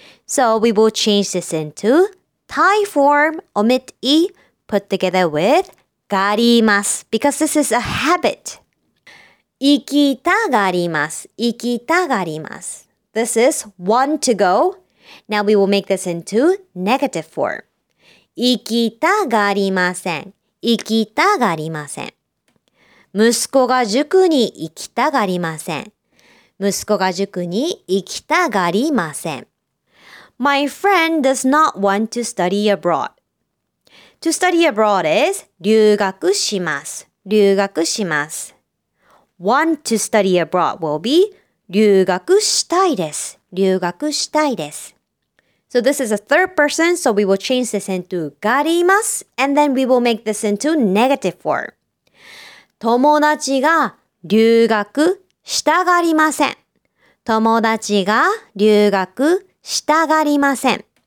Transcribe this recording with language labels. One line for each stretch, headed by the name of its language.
English: So we will change this into tai form omit i put together with garimasu because this is a habit.
Japanese: Ikitagarimasu, ikitagarimasu.
English: This is want to go. Now we will make this into negative form.
Japanese: Ikitagarimasen. 行きたがりません。息子が塾に行きたがりません。息子が塾に行きたがりません。
English: My friend does not want to study abroad. To study abroad is
Japanese: 留学します。留学します。
English: Want to study abroad will be
Japanese: 留学したいです。留学したいです。
English: So this is a third person, so we will change this into garimasu, and then we will make this into negative form.
Japanese: 友達が留学したがりません。友達が留学したがりません。